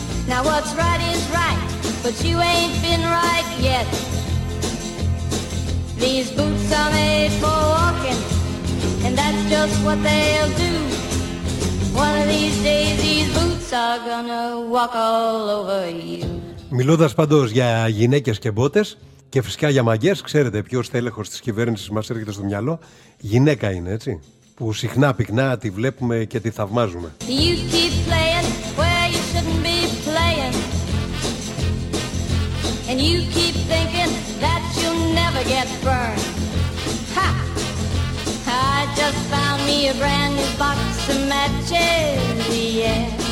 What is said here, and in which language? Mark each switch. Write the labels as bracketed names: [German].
[English] Now what's right is right, but you ain't been right yet. These boots are made for walking, and that's just what they'll do. One of these days these boots are gonna walk all over you. [Greek] Μιλώντας πάντως για γυναίκες και μπότες και φυσικά για μαγιές, ξέρετε ποιος τέλεχος της κυβέρνησης μας έρχεται στο μυαλό? Γυναίκα είναι, έτσι, που συχνά πυκνά τη βλέπουμε και τη θαυμάζουμε. [English] You keep playing where you shouldn't be playing, and you keep thinking that you'll never get burned. Ha! I just found me a brand new box of matches, yeah.